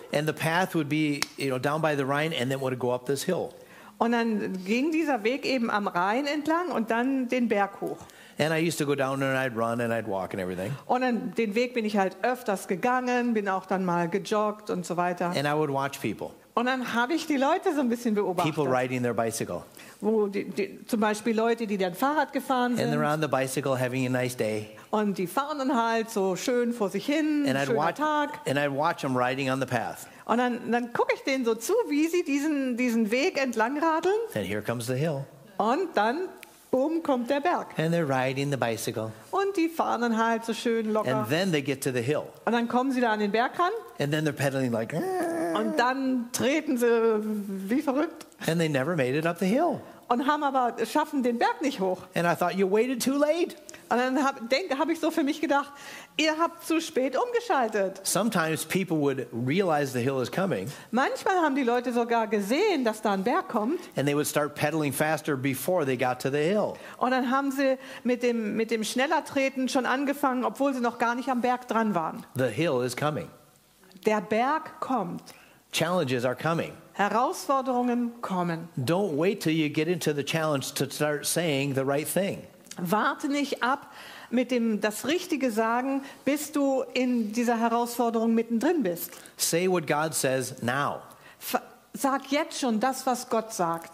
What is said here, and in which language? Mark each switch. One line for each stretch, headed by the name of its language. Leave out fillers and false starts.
English: And the path would be, down by the Rhine, and then would go up this hill.
German: Und dann ging dieser Weg eben am Rhein entlang und dann den Berg hoch.
English: And I used to go down and I'd run and I'd walk and everything.
German: Und dann den Weg bin ich halt öfters gegangen, bin auch dann mal gejoggt und so weiter.
English: And I would watch people.
German: Und dann habe ich die Leute so ein bisschen beobachtet.
English: People riding their bicycle.
German: Wo zum Beispiel Leute, die dann Fahrrad gefahren sind.
English: And they're on the bicycle having a nice day.
German: Und die fahren dann halt so schön vor sich hin,
English: and
German: schöner Tag.
English: And I'd watch them riding on the path.
German: Und dann gucke ich denen so zu, wie sie diesen Weg entlang radeln.
English: And here comes the hill.
German: Und dann, boom, kommt der Berg.
English: And they're riding the bicycle.
German: Und die fahren dann halt so schön locker.
English: And then they get to the hill.
German: Und dann kommen sie da an den Berg ran.
English: And then they're pedaling like.
German: Und dann treten sie wie verrückt.
English: And they never made it up the hill.
German: Und haben aber schaffen den Berg nicht hoch.
English: And I thought, you waited too late.
German: Und dann hab ich so für mich gedacht, ihr habt zu spät umgeschaltet.
English: Sometimes people would realize the hill is coming.
German: Manchmal haben die Leute sogar gesehen, dass da ein Berg kommt.
English: And they would start pedaling faster before they got to the hill.
German: Und dann haben sie mit dem schneller treten schon angefangen, obwohl sie noch gar nicht am Berg dran waren.
English: The hill is coming.
German: Der Berg kommt.
English: Challenges are coming.
German: Herausforderungen kommen.
English: Don't wait till you get into the challenge to start saying the right thing.
German: Warte nicht ab mit dem das Richtige sagen, bis du in dieser Herausforderung mittendrin bist.
English: Say what God says now.
German: Sag jetzt schon das, was Gott sagt.